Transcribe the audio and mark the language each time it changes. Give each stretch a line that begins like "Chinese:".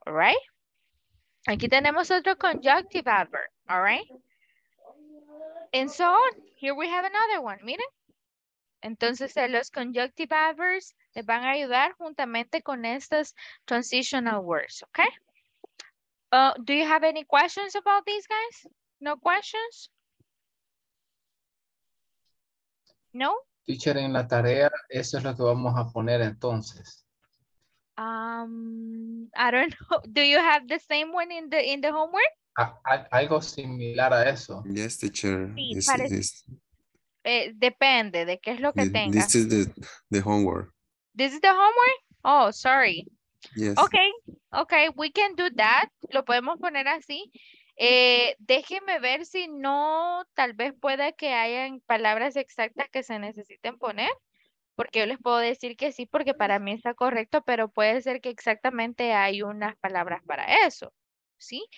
English: All right?
Spanish: Aquí tenemos otro
English: conjunctive adverb. All right? And so on. Here we have another one. Miren.
Spanish: Entonces, los conjunctive adverbs les van a ayudar juntamente con estas transitional words.
English: Okay? Do you have any questions about these, guys? No questions? No?
Spanish: Teacher, en la tarea, eso es lo que vamos a poner entonces.
English: I don't know. Do you have the same one in the homework?
Spanish: Algo similar a eso.
English: Yes, teacher.
Spanish: Sí, depende de qué es lo que tenga.
English: This is the homework. This is the homework? Oh, sorry. Yes. Okay, we can do that.
Spanish: Lo podemos poner así. Déjenme ver si no, tal vez pueda que hayan palabras exactas que se necesiten poner, porque yo les puedo decir que sí, porque para mí está correcto, pero puede ser que exactamente hay unas palabras para eso, ¿sí?